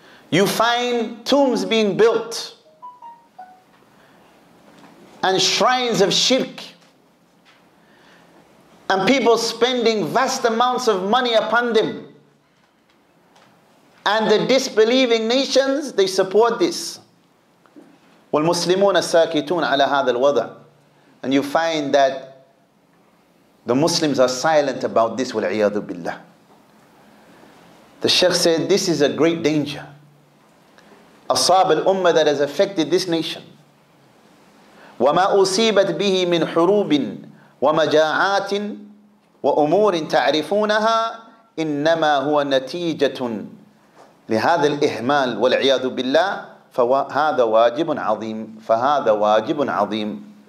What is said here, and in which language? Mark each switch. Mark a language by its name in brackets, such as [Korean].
[English] You find tombs being built and shrines of shirk, and people spending vast amounts of money upon them. And the disbelieving nations, they support this. [Arabic] والمسلمون ساكتون على هذا الوضع. [English] And you find that the Muslims are silent about this. [Arabic] والعياذ بالله. [English] The Sheikh said, this is a great danger. [Arabic] أصاب الأمة, [English] that has affected this nation. [Arabic] وَمَا أُصِيبَتْ بِهِ مِنْ حُرُوبٍ وَمَجَاعَاتٍ وَأُمُورٍ تَعْرِفُونَهَا إِنَّمَا هُوَ نَتِيجَةٌ لِهَذَا الْإِهْمَالِ وَالْعِيَاذُ بِاللَّهِ فَهَذَا وَاجِبٌ عَظِيمٌ فَهَذَا وَاجِبٌ عَظِيمٌ.